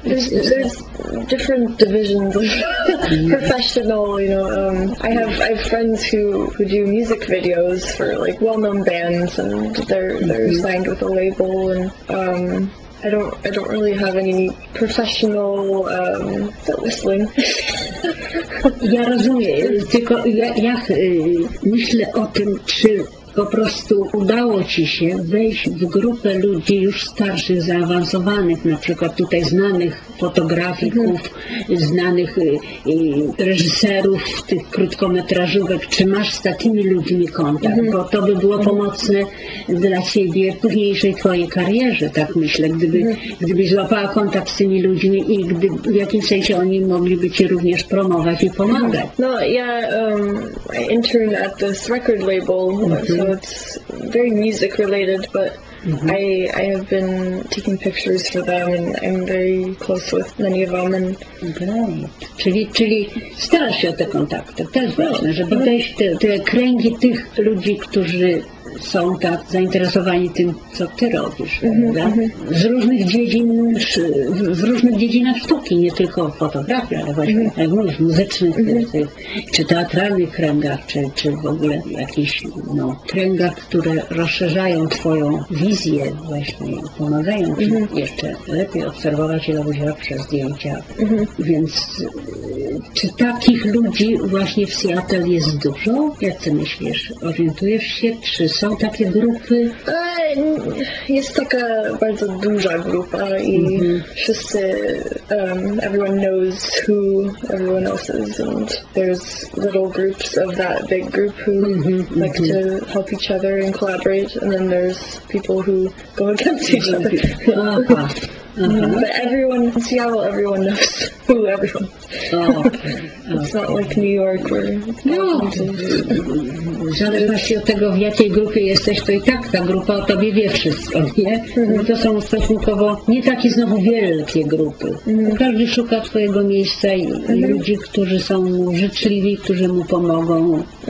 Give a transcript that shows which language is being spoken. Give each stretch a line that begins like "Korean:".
English: There's different divisions. Professional, you know, I have friends who do music videos for like well-known bands, and they're signed with a label, and I don't really have any professional whistling.
Polish: Ja rozumiem, tylko ja myślę o tym, czy po prostu udało ci się wejść w grupę ludzi już starszych, zaawansowanych, na przykład tutaj znanych fotografików, znanych reżyserów tych krótkometrażówek, czy masz z takimi ludźmi kontakt, bo to by było pomocne dla ciebie w późniejszej twojej karierze, tak myślę, gdybyś złapała kontakt z tymi ludźmi i gdy w jakimś sensie oni mogliby ci również promować i pomagać. No, ja
English: I intern at this record label, so it's very music related, but I have been taking pictures for them, and I'm very close with many of them. And great.
Polish: Czyli starasz się o te kontakty. To jest ważne, żeby wejść te kręgi tych ludzi, którzy są tak zainteresowani tym, co ty robisz, prawda? Z różnych dziedzin, w różnych dziedzinach sztuki, nie tylko fotografii, ale właśnie jak mówisz, muzycznych, czy teatralnych kręgach, czy w ogóle jakichś kręgach, które rozszerzają twoją wizję właśnie i pomagają ci jeszcze lepiej obserwować się jeziora przez zdjęcia. Więc czy takich ludzi właśnie w Seattle jest dużo? Jak ty myślisz? Orientujesz się? Czy są takie grupy? Jest taka bardzo duża grupa i wszyscy,
English: everyone knows who everyone else is, and there's little groups of that big group who like to help each other and collaborate, and then there's people who go against each other. But everyone in Seattle, everyone knows who everyone is. It's not like New York where...
Polish: No, w zależności od tego, w jakiej grupie jesteś, to i tak ta grupa o tobie wie wszystko, nie? To są stosunkowo nie takie znowu wielkie grupy. Każdy szuka twojego miejsca i ludzi, którzy są mu życzliwi, którzy mu pomogą.